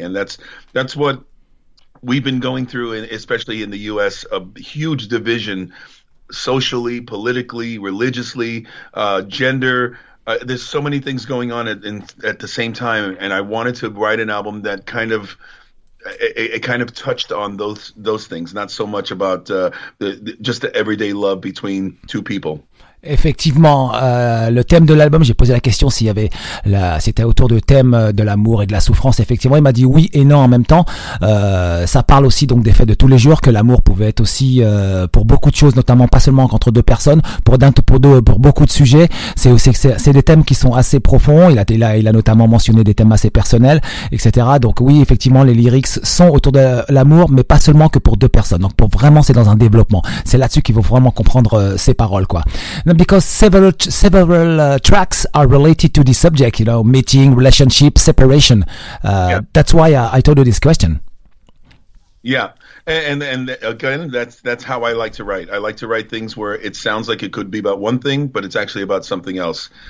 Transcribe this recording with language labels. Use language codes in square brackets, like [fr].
[en] And that's what we've been going through, especially in the U.S., a huge division socially, politically, religiously, gender. There's so many things going on at the same time, and I wanted to write an album that kind of touched on those things, not so much about just the everyday love between two people. [fr] Effectivement, le thème de l'album, j'ai posé la question s'il y avait c'était autour de thème de l'amour et de la souffrance. Effectivement, il m'a dit oui et non en même temps. Ça parle aussi donc des faits de tous les jours, que l'amour pouvait être aussi pour beaucoup de choses, notamment pas seulement entre deux personnes, pour beaucoup de sujets. C'est des thèmes qui sont assez profonds. Il a notamment mentionné des thèmes assez personnels, etc. Donc oui, effectivement, les lyrics sont autour de l'amour, mais pas seulement que pour deux personnes. Donc pour vraiment, c'est dans un développement. C'est là-dessus qu'il faut vraiment comprendre ces paroles, quoi. [en] Because several tracks are related to this subject, you know, meeting, relationship, separation. Yeah. That's why I told you this question. Yeah, and again, that's how I like to write. I like to write things where it sounds like it could be about one thing, but it's actually about something else.